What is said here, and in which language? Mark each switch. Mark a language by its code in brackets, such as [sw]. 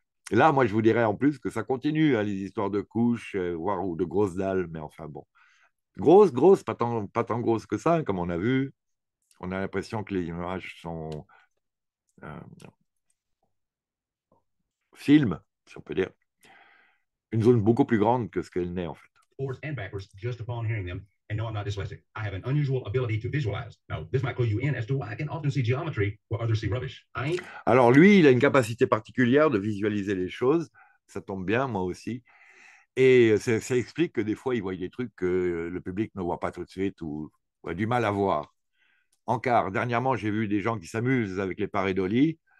[fr] Là, moi, je vous dirais en plus que ça continue, hein, les histoires de couches, voire ou de grosses dalles, mais enfin bon. Grosse, pas tant grosse que ça, hein, comme on a vu. On a l'impression que les images sont... film, si on peut dire. Une zone beaucoup plus grande que ce qu'elle n'est, en fait. [en] Forwards and backwards, just upon hearing them. And no, I'm not dyslexic. I have an unusual ability to visualize. Now, this might clue you in as to why I can often see geometry where others see rubbish. I ain't... [fr] Alors, lui, il a une capacité particulière de visualiser les choses. Ça tombe bien, moi aussi. Et ça explique que des fois, il voit des trucs que le public ne voit pas tout de suite ou a du mal à voir. Encore, dernièrement, j'ai vu des gens qui s'amusent avec les pareidolies.